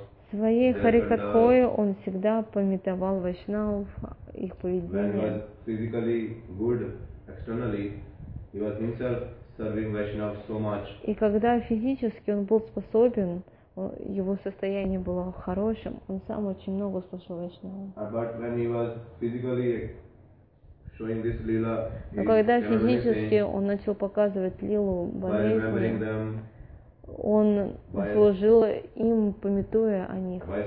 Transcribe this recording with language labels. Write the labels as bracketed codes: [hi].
[ru] Своей Харикатхой он всегда памятовал Вайшнавов, их поведение. [en] When he was physically good externally, he was himself serving Vaishnava so much. [ru] И когда физически он был способен, его состояние было хорошим, он сам очень много слушал Вайшнава. [en] But when he was physically showing this lila, [ru] но когда физически он начал показывать лилу болезни, он служил им, пометуя о них.